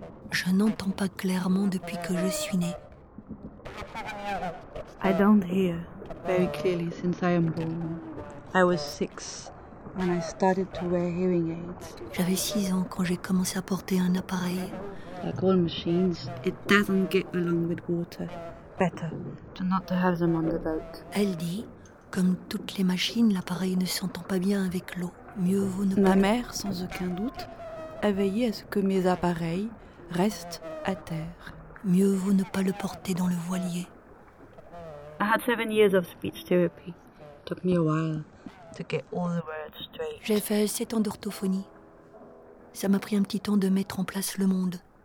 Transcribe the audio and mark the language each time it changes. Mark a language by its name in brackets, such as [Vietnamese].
[French] Je n'entends pas clairement depuis que je suis née. [English] I don't hear very clearly since I am born. I was 6 when I started to wear hearing aids. [French] J'avais 6 ans quand j'ai commencé à porter un appareil. [English] Like all machines, it doesn't get along with water. Better to not to have them on the boat. [French] Elle dit, comme toutes les machines, l'appareil ne s'entend pas bien avec l'eau. Mieux vaut ne pas. Ma mère, sans aucun doute, a veillé à ce que mes appareils restent à terre. Mieux vaut ne pas le porter dans le voilier. [English] I had 7 years of speech therapy. Took me a while to get all the words straight. [French] J'ai fait 7 ans d'orthophonie. Ça m'a pris un petit temps de mettre en place le monde.